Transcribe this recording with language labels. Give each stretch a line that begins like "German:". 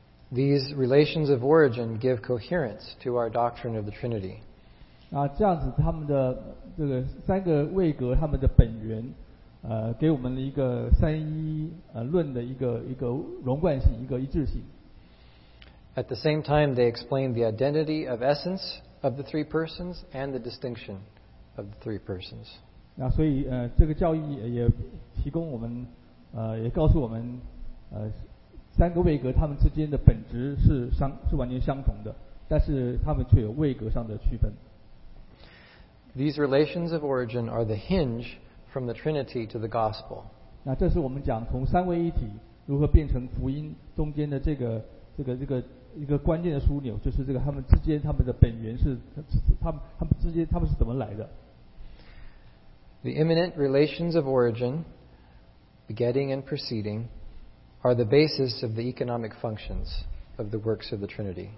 English: These relations of origin give coherence to our doctrine of the Trinity.
Chinese: 这样子他们的这个三个位格他们的本源给我们了一个三一论的一个融贯性一个一致性。
English: At the same time, they explain the identity of essence of the three persons and the distinction of the three persons.
Chinese: 所以这个教义也提供我们也告诉我们三个位格他们之间的本质是完全相同的，但是他们却有位格上的区分。
English: These relations of origin are the hinge from the Trinity to the Gospel.
Chinese: 这是我们讲从三位一体如何变成福音中间的这个一个关键的枢纽，就是这个他们之间他们的本源是他们之间他们是怎么来的。
English: The immanent relations of origin, begetting and proceeding, are the basis of the economic functions of the works of the Trinity.